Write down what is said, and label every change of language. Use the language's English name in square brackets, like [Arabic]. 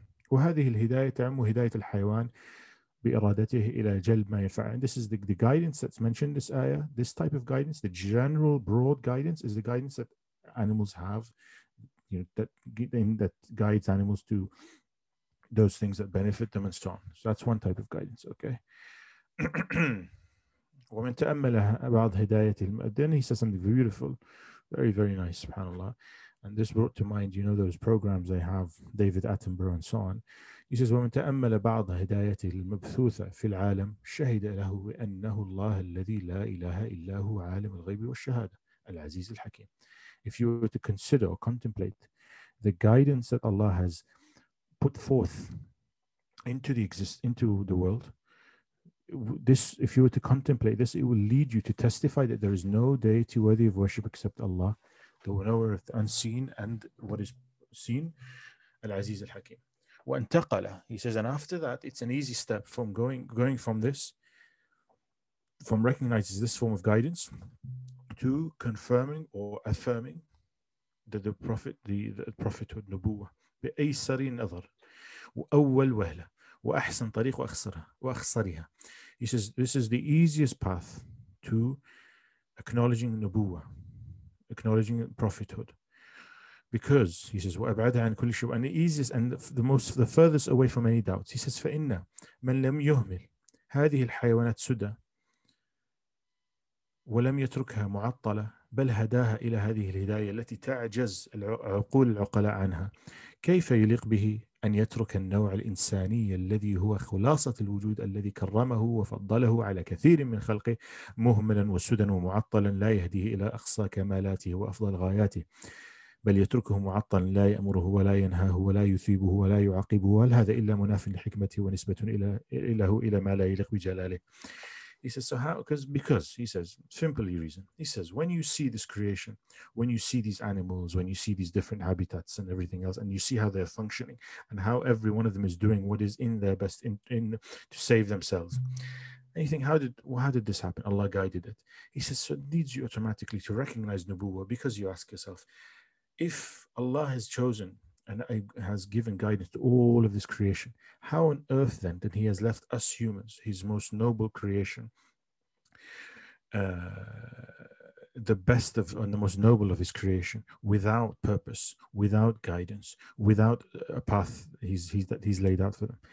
[Arabic] وهذه الهداية تعم هداية الحيوان بإرادته إلى جلب ما ينفع. [English] And this is the guidance that's mentioned in this ayah. This type of guidance, the general broad guidance, is the guidance that animals have, you know, that guides animals to those things that benefit them and so on. So that's one type of guidance. Okay. [Arabic] ومن تأمل بعض هداية المؤذن, [English] he says something beautiful, very very nice, subhanAllah. And this brought to mind, you know, those programs they have, David Attenborough and so on. He says, [Arabic] ومن تأمل بعض هداية المبثوثة في العالم شهد له أنه الله الذي لا إله إلا هو عالم الغيب والشهادة العزيز الحكيم. [English] If you were to consider or contemplate the guidance that Allah has put forth into the world. This, if you were to contemplate this, it will lead you to testify that there is no deity worthy of worship except Allah, the knower of the unseen and what is seen, Al-Aziz Al-Hakim. وَانْتَقَلَ, he says, and after that, it's an easy step from going from this, from recognizing this form of guidance, to confirming or affirming that the prophethood, Nubuwa, [Arabic] بِأَيْسَرِ النَّظَرِ وَأَوَّلْ وَهْلَ وَأَحْسَنْ طَرِيقُ وَأَخْسَرِهَا. [English] He says, this is the easiest path to acknowledging Nubuwa, acknowledging prophethood. Because, he says, [Arabic] وَأَبْعَدَ عَنْ كُلِّ شُبْهَةٍ, [English] and the easiest and the furthest away from any doubts. [Arabic] He says, فَإِنَّ مَنْ لَمْ يُهْمِلْ هَذِهِ الْحَيَوَانَةِ سُدَى وَلَمْ يَتْرُكْهَا مُعَطَّلَةً بل هداها إلى هذه الهداية التي تعجز العقول العقلاء عنها كيف يليق به أن يترك النوع الإنساني الذي هو خلاصة الوجود الذي كرمه وفضله على كثير من خلقه مهملا وسدى ومعطلا لا يهديه إلى أقصى كمالاته وأفضل غاياته، بل يتركه معطلا لا يأمره ولا ينهاه ولا يثيبه ولا يعاقبه، وهل هذا إلا مناف لحكمته ونسبة إلى ما لا يليق بجلاله. [English] He says, so how, because he says, simply reason. He says, when you see this creation, when you see these animals, when you see these different habitats and everything else, and you see how they're functioning and how every one of them is doing what is in their best in to save themselves. And you think, how did this happen? Allah guided it. He says, so it leads you automatically to recognize Nubuwa, because you ask yourself, if Allah has chosen and has given guidance to all of this creation, how on earth then that he has left us humans, his most noble creation, the best of and the most noble of his creation, without purpose, without guidance, without a path he's laid out for them?